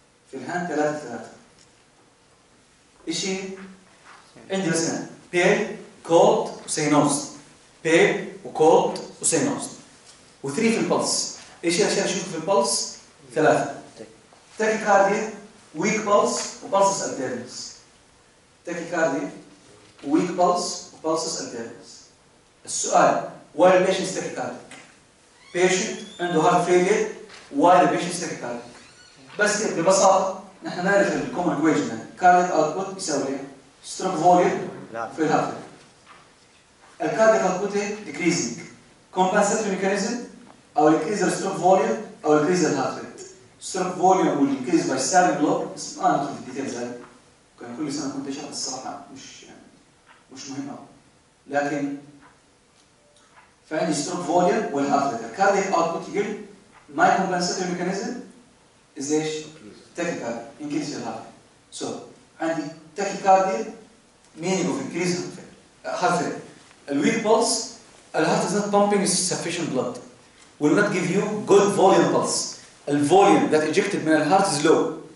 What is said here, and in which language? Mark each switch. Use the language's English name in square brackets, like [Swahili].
[Arabic] في الهاند 3 ايش هي؟ عندي مثلا بيل كولد وسينوس. بيل وكولد وسينوس و3 في البلس. ايش هي الاشياء اللي اشوفها في البلس؟ 3 تاكي كارديا ويك بولس وبولسس الديرنس. تاكي كارديا ويك بولس وبولسس الديرنس. السؤال [English] why the patient is tachycardic؟ patient [Arabic] عنده [English] heart failure why the patient is tachycardic؟ [Arabic] بس كده ببساطة نحن نعرف الـ [English] common equation هذا cardiac output [Arabic] يساوي [English] stroke volume في الـ heart failure. الـ cardiac output هي decreasing compensatory mechanism أو increase the stroke volume أو increase the heart rate. Stroke volume will increase by 7 block. [Arabic] بس ما ندخل في الديتيلز هاي. كان كل سنة كنت أشرح الصراحة مش مهمة. لكن فعندي [English] stroke volume [Arabic] والهارت ريت. الكارديك اوتبوت يقل [English] My compensatory mechanism is [Arabic] ايش؟ تاكيكارديا، [English] increase your heart rate. So [Arabic] عندي تاكيكارديا [English] meaning of increase heart rate. Heart rate. A weak pulse, the heart is not pumping sufficient blood. Will not give you good volume pulse. The volume that ejected from the heart is low.